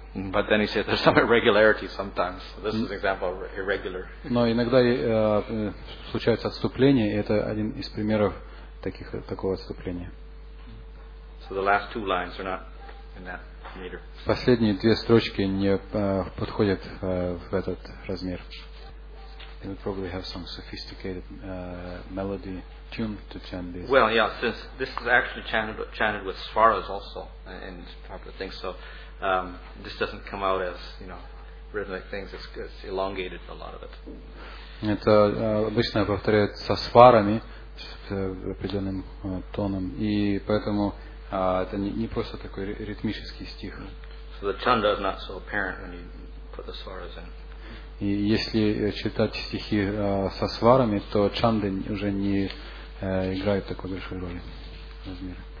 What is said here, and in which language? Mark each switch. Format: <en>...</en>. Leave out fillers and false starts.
<en>But then he said there's some irregularity sometimes. This is an example of irregular.</en> <ru>Но иногда случаются отступления, и это один из примеров такого отступления.</ru> <en>So the last two lines are not in that meter.</en> <ru>Последние две строчки не подходят в этот размер.</ru> <en>They would probably have some sophisticated melody tuned to chant this. Well, yeah, since this is actually chanted with svaras also, and probably think so. This doesn't come out as, you know, rhythmic things. It's elongated a lot of it.</en> <ru>Это обычно повторяется сварами с определенным тоном, и поэтому это не просто такой ритмический стих.</ru> <en>So the chanda is not so apparent when you put the svaras in.</en> <ru>И если читать стихи со сварами, то чанды уже не играют такой большой роли размера.</ru>